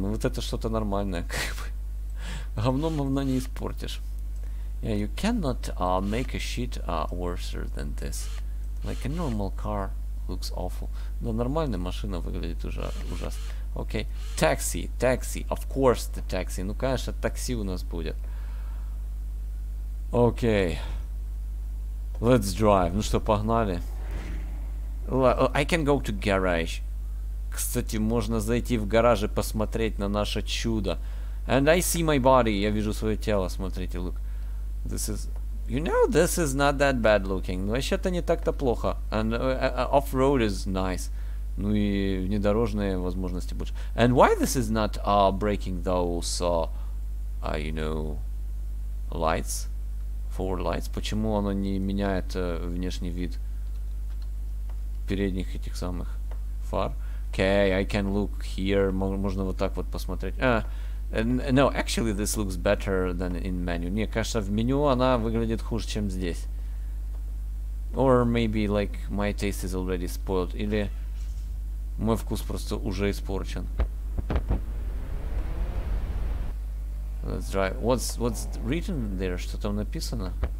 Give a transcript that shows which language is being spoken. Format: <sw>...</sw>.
<ru>Ну, вот это что-то нормальное. Говно, говно не испортишь.</ru> <en>Yeah, you cannot make a shit worse than this. Like a normal car looks awful.</en> <ru>Да, нормальная машина выглядит уже ужасно. Окей. Такси.</ru> <en>Of course the taxi.</en> <ru>Ну, конечно, такси у нас будет. Окей.</ru> <en>Let's drive.</en> <ru>Ну что, погнали.</ru> <en>I can go to garage.</en> <ru>Кстати, можно зайти в гараж и посмотреть на наше чудо.</ru> <en>And I see my body.</en> <ru>Я вижу свое тело. Смотрите,</ru> <en>look. This is... You know, this is not that bad looking.</en> <ru>Ну, вообще-то не так-то плохо.</ru> <en>And off-road is nice.</en> <ru>Ну и внедорожные возможности больше.</ru> <en>And why this is not breaking those, you know, lights? Forward lights.</en> <ru>Почему оно не меняет внешний вид передних этих самых фар?</ru> <en>Okay, I can look here.</en> <ru>Можно вот так вот посмотреть.</ru> <en>No, actually this looks better than in menu.</en> <ru>Не, кажется, в меню она выглядит хуже, чем здесь.</ru> <en>Or maybe like my taste is already spoiled.</en> <ru>Или мой вкус просто уже испорчен.</ru> <en>Let's drive. What's written there?</en> <ru>Что там написано?</ru>